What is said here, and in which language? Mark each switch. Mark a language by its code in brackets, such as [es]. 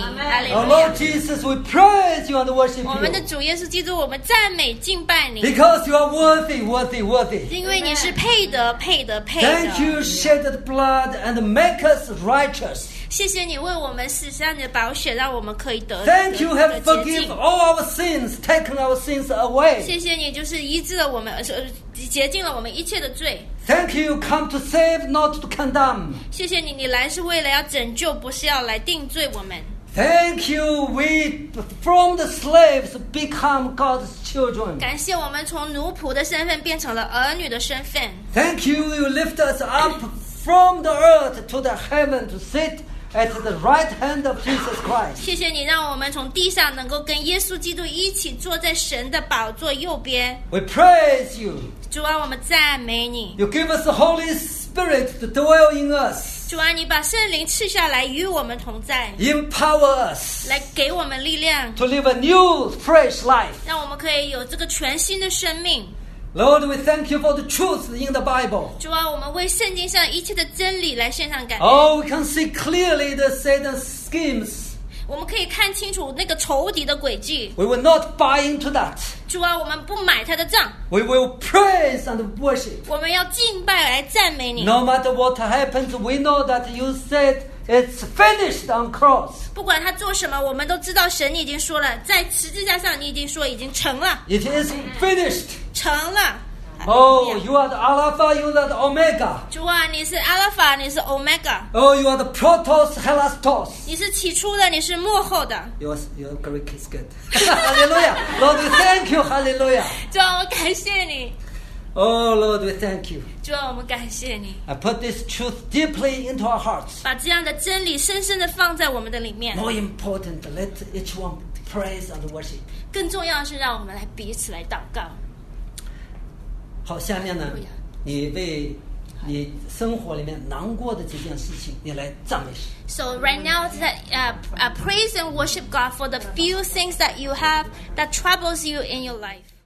[en] Our Lord Jesus, we praise you and worship you. [zh] 我们的主耶稣基督，我们赞美敬拜你。 [en] Because you are worthy, worthy, worthy. [zh] 因为你是配得，配得，配得。 [en] Thank you, shed the blood and make us righteous. [zh] 谢谢你为我们洗上你的宝血，让我们可以得。 [en] Thank you, have forgiven all our sins, taken our sins away. [zh] 谢谢你就是医治了我们，洁净了我们一切的罪。 [en] Thank you, come to save, not to condemn. [zh] 谢谢你，你来是为了要拯救，不是要来定罪我们。 [en] Thank you, we from the slaves become God's children. [zh] 感谢我们从奴仆的身份变成了儿女的身份。 [en] Thank you, you lift us up from the earth to the heaven to sit at the right hand of Jesus Christ. [zh] 谢谢你让我们从地上能够跟耶稣基督一起坐在神的宝座右边。 [en] We praise you. [zh] 主啊，我们赞美你。 [en] You give us the Holy Spirit to dwell in us. [zh] 主啊，你把圣灵赐下来与我们同在 [en] ，empower us， [zh] 来给我们力量 [en] ，to live a new fresh life， [zh] 让我们可以有这个全新的生命。 [en] Lord, we thank you for the truth in the Bible. [zh] 主啊，我们为圣经上一切的真理来献上感恩。 [en] Oh, we can see clearly the Satan's schemes. [zh] 我们可以看清楚那个仇敌的诡计。 [en] We will not buy into that. [zh] 主啊，我们不买他的账。 [en] We will praise and worship. [zh] 我们要敬拜来赞美你。 [en] No matter what happens, we know that you said it's finished on cross. [zh] 不管他做什么，我们都知道神已经说了，在十字架上你已经说已经成了。 [en] It is finished. [zh] 成了。 [en] Oh, you are the Alpha, you are the Omega. [zh] 主啊，你是 Alpha， 你是 Omega. [en] Oh, you are the Protos, Helastos. [zh] 你是起初的，你是幕后的。 [en] Your Greek is good. Hallelujah, Lord, we thank you. Hallelujah. [zh] 主啊，我感谢你。 [en] Oh, Lord, we thank you. [zh] 主啊，我们感谢你。 [en] I put this truth deeply into our hearts. [zh] 把这样的真理深深的放在我们的里面。 [en] More important, let each one praise and worship. [zh] 更重要的是，让我们来彼此来祷告。好，下面呢，你为你生活里面难过的几件事情，你来赞美神。 [en] So right now, that praise and worship God for the few things that you have that troubles you in your life.